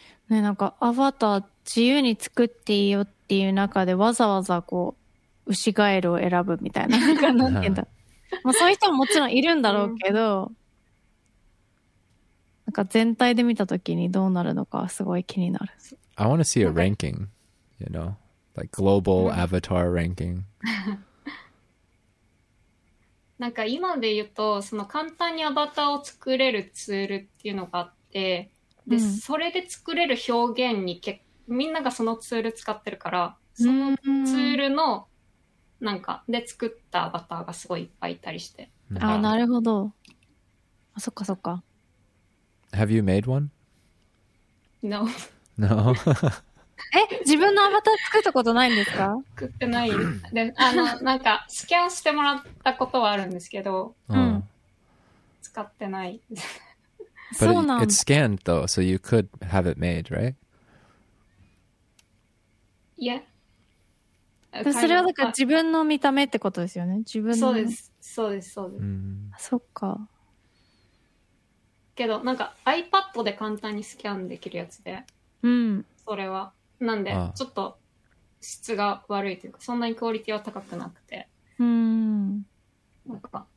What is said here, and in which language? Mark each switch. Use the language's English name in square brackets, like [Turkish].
[Japanese] ね、なんかアバター自由に作っていいよっていう中でわざわざこう牛ガエルを選ぶみたいな感じなんだ。まあそういう人ももちろんいるんだろうけど。なんか全体で見たときにどうなるのかすごい気になる。 [English] I want to see a ranking, you know, like global avatar ranking. [Japanese] なんか今で言うと、その簡単にアバターを作れるツールっていうのがあって、で、それで作れる表現にみんながそのツール使ってるから、そのツールのなんかで作ったアバターがすごいいっぱいいたりして。あ、なるほど。あ、そっかそっか。 [English] Have you made one? No. No? [Japanese] え、自分のアバター作ったことないんですか？作ってない。で、あの、なんか、スキャンしてもらったことはあるんですけど、使ってない。そうなんだ。 [English] It's scanned though, so you could have it made, right? Yeah. [Japanese] それはだから自分の見た目ってことですよね。自分の。そうです。そうです。そうです。そっか。けどなんか iPad で簡単にスキャンできるやつで、それはなんでちょっと質が悪いというか、そんなにクオリティは高くなくて、なんか